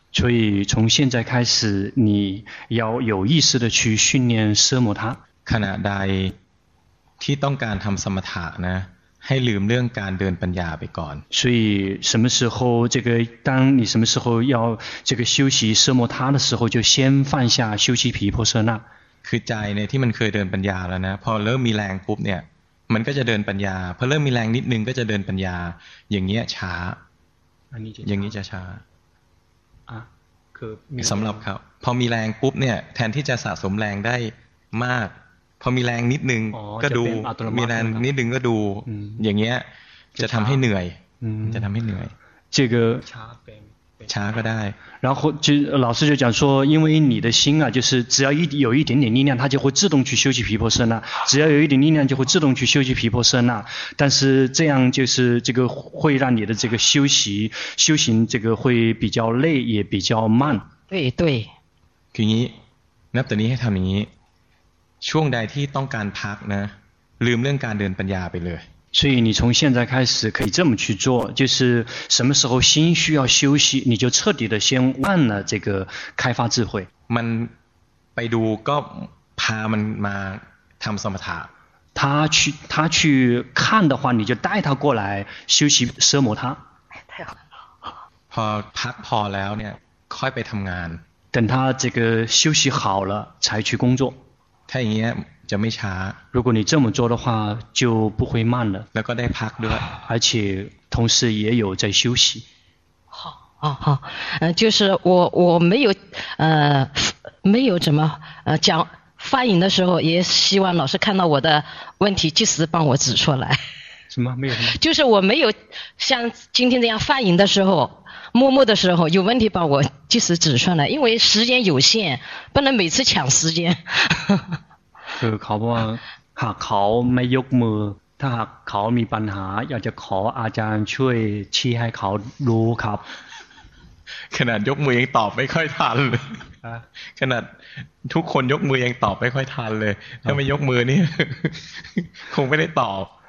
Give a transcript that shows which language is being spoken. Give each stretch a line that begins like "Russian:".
Chinese: 所以从现在开始你要有意识的去训练奢摩他
Thai: ขณะใดที่ต้องการทำสมถะนะให้ลืมเรื่องการเดินปัญญาไปก่อน
Chinese: 所以什么时候这个当你什么时候要这个修习奢摩他的时候就先放下修习毗婆舍那
Thai: คือใจเนี่ยที่มันเคยเดินปัญญาแล้วนะพอเริ่มมีแรงปุ๊บเนี่ยมันก็จะเดินปัญญาพอเริ่มมีแรงนิดนึงก็จะเดินปัญญาอย่างเงี้ยช้า อันนี้จะ อย่างนี้จะช้า อ่ะค สำหรับครับพอมีแรงปุ๊บเนี่ยแทนที่จะสะสมแรงได้มากพอมีแรงนิดนึงก็ดูมี แรงนิดนึงก็ดูอย่างเงี้ยจะทำให้เหนื่อยจะทำให้เหนื่อย
Chinese: 这个差个大，然后就老师就讲说，因为你的心啊，就是只要有一点点力量，它就会自动去修习皮婆舍那；只要有一点力量，就会自动去修习皮婆舍那。但是这样就是这个会让你的这个修行这个会比较累，也比较慢。对对。
Thai: คืออย่างนี้นับแต่นี้ให้ทำอย่างนี้ช่วงใดที่ต้องการพักนะลืมเรื่องการเดินปัญญาไปเลย
Chinese: 所以你从现在开始可以这么去做，就是什么时候心需要休息，你就彻底的先忘了这个开发智慧。
Thai: 门，ไปดูก็พามันมาทำสมถะ。
Chinese: 他去看的话，你就带他过来休息奢摩他。太好了。
Thai: พอพักพอแล้วเนี่ยค่อยไปทำงาน。
Chinese: 等他这个休息好了才去工作。
Thai: ถ้าอย่างเงี้ยจะไม่ช้า
Chinese: 如果你这么做的话就不会慢了
Thai: แล้วก็ได้พักด้วย
Chinese: 而且同时也有在休息好就是我没有怎么讲发言的时候也希望老师看到我的问题及时帮我指出来什么没有什么就是我没有像今天这样发言的时候默默的时候有问题帮我及时指出来因为时间有限不能每次抢时间
Thai: คือเขาบอกว่าหากเขาไม่ยกมือถ้าหากเขามีปัญหาอยากจะขออาจารย์ช่วยชี้ให้เขารู้ครับ ขนาดยกมือยังตอบไม่ค่อยทันเลยขนาดทุกคนยกมือยังตอบไม่ค่อยทันเลยถ้าไม่ยกมือนี่คงไม่ได้ตอบ